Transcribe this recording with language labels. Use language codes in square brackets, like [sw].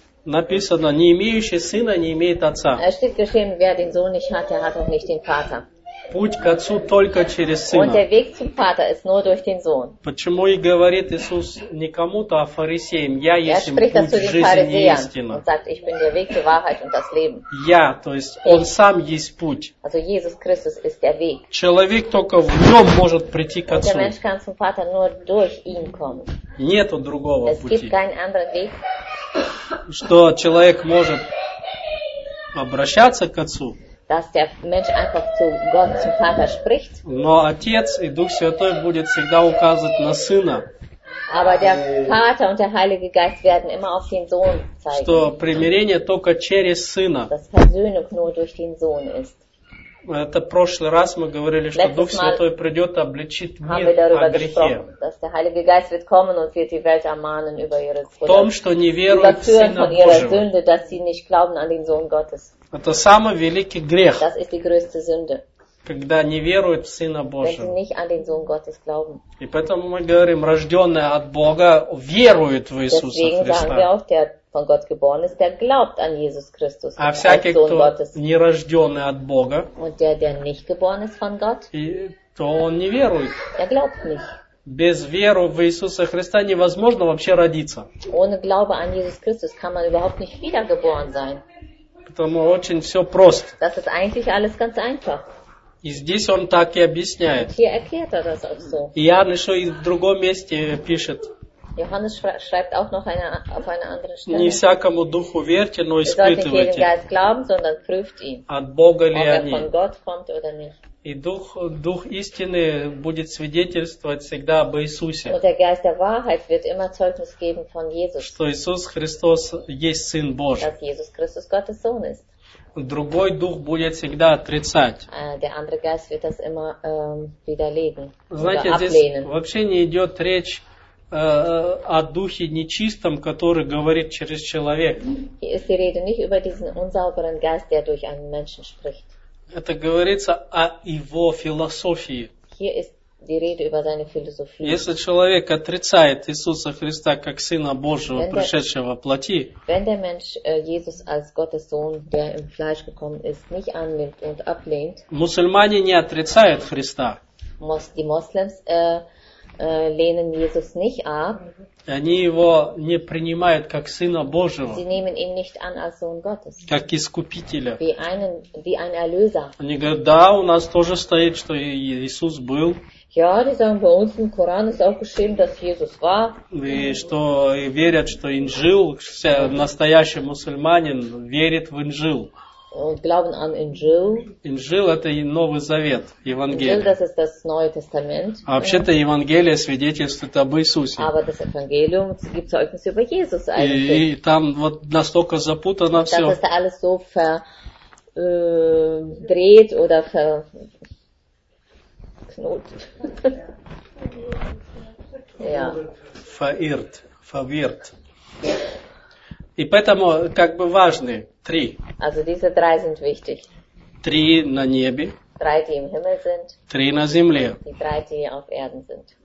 [ru] Написано, не имеющий сына не имеет отца. [de] Es steht geschrieben, wer den Sohn nicht hat, der hat auch nicht den Vater. [ru] Путь к отцу только через сына. [de] Und der Weg zum Vater ist nur durch den Sohn. [ru] Почему и говорит Иисус не кому-то, а фарисеям, я есть им путь, жизнь и истина. [de] Und sagt, ich bin der Weg, die Wahrheit und das Leben. [ru] Я, то есть он сам есть путь. [de] Also Jesus Christus ist der Weg. [ru] Человек только в нем может прийти к отцу. [de] Und der Mensch kann zum Vater nur durch ihn kommen. [ru] Нету другого [de] пути. Es gibt keinen anderen Weg. [ru] Что человек может обращаться к отцу. [de] dass der Mensch einfach zu Gott, zum Vater spricht. [ru] Но отец и Дух Святой будет всегда указывать на сына. [de] Aber der Vater und der Heilige Geist werden immer auf den Sohn zeigen. [ru] Что примирение только через сына. [de] Dass Versöhnung nur durch den Sohn ist. [ru] Это прошлый раз мы говорили, что Дух Святой придет и обличит мир о грехе. [de] Dass der Heilige Geist wird kommen und wird die Welt ermahnen über ihre [ru] Sünde. В том, что не веруют в Сына Божьего. [de] Dass sie nicht glauben an den Sohn Gottes. [ru] Это самый великий грех. [de] Das ist die größte Sünde. [ru] Когда не веруют в Сына Божьего. [de] Wenn sie nicht an den Sohn Gottes glauben. [ru] И поэтому мы говорим, рожденный от Бога верует в Иисуса [de] Deswegen [ru] Христа. [de] Deswegen sagen wir auch, der von Gott geboren ist, der glaubt an Jesus Christus. [ru] А всякий, Sohn кто Gottes. Не рожденный от Бога. [de] Und der, der nicht geboren ist von Gott. [ru] И, то он не верует. [de] Er glaubt nicht. [ru] Без веры в Иисуса Христа невозможно вообще родиться. [de] Ohne Glaube an Jesus Christus kann man überhaupt nicht wiedergeboren sein. [ru] Потому очень все просто. [de] Das ist eigentlich alles ganz einfach. [ru] И здесь он так и объясняет. [de] Hier erklärt er das auch so. [ru] Иоанн еще и в другом месте пишет. Johannes schreibt auch noch eine, auf eine andere Stelle. Не всякому духу верьте, но испытывайте. Вы должны [de] Geist glauben, sondern prüft ihn. [ru] От Бога ли они? [de] Ob er von Gott kommt oder nicht. [ru] И дух, дух истины будет свидетельствовать всегда об Иисусе. [de] Und der Geist der Wahrheit wird immer Zeugnis geben von Jesus. [ru] Что Иисус Христос есть Сын Божий. [de] Dass Jesus Christus Gottes Sohn ist. [ru] Другой дух будет всегда отрицать. [de] Der andere Geist wird das immer widerlegen. [ru] Знаете, [de] ablehnen. [ru] Здесь вообще не идет речь о духе нечистом, который говорит через человека. [de] Hier ist die Rede nicht über diesen unsauberen Geist, der durch einen Menschen spricht. [ru] Это говорится о его философии. [de] Hier ist die Rede über seine Philosophie. [ru] Если человек отрицает Иисуса Христа как Сына Божьего, пришедшего во плоти, [de] wenn der Mensch Jesus als Gottes Sohn, der im Fleisch gekommen ist, nicht annimmt und ablehnt, [ru] мусульмане не отрицают Христа. [de] Die Muslims lehnen Jesus nicht ab. [ru] Они его не принимают как Сына Божьего. [de] Sie nehmen ihn nicht an als Sohn Gottes. [ru] Как Искупителя. [de] Wie ein Erlöser. [ru] Они говорят, да, у нас тоже стоит, что Иисус был. [de] Ja, die sagen, bei uns im Koran ist auch geschrieben, dass Jesus war. [ru] И что верят, что Инжил, настоящий мусульманин верит в Инжил. [de] Und glauben an Injil. [ru] Injil – это Новый Завет, Евангелие. [de] Injil – das ist das Neue Testament. [ru] А вообще-то Евангелие свидетельствует об Иисусе. [de] Aber das Evangelium gibt Zeugnis über Jesus eigentlich. [ru] И там вот настолько запутано все. [de] Das ist da alles so verdreht oder verknot. Ja. Verirrt. Verwirrt. [ru] И поэтому как бы важны три. [de] Also diese drei sind wichtig. [ru] Три на небе. [de] Drei, die im Himmel sind. [ru] Три на земле. [de] Die drei, die auf Erden sind.